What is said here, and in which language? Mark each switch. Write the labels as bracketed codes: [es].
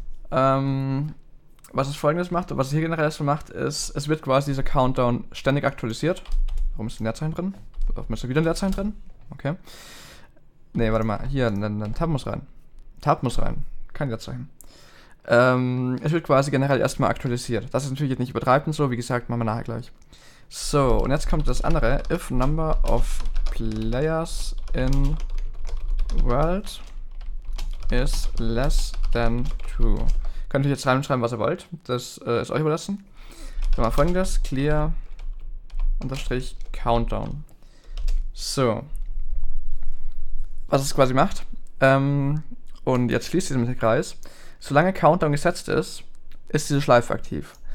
[de] Was es folgendes macht, was es hier generell erstmal macht, ist, es wird quasi dieser Countdown ständig aktualisiert. Warum ist ein Leerzeichen drin? Warum ist da wieder ein Leerzeichen drin? Okay. Ne, warte mal, hier, ein Tab muss rein. Tab muss rein, kein Leerzeichen. Es wird quasi generell erstmal aktualisiert. Das ist natürlich jetzt nicht übertreibend und so, wie gesagt, machen wir nachher gleich. So, und jetzt kommt das andere. [en] If number of players in world is less than 2. [de] Könnt ihr jetzt reinschreiben, was ihr wollt. Das ist euch überlassen. Dann machen wir folgendes. Clear unterstrich Countdown. So. Was es quasi macht. Und jetzt schließt sie mit dem Kreis. Solange Countdown gesetzt ist, ist diese Schleife aktiv.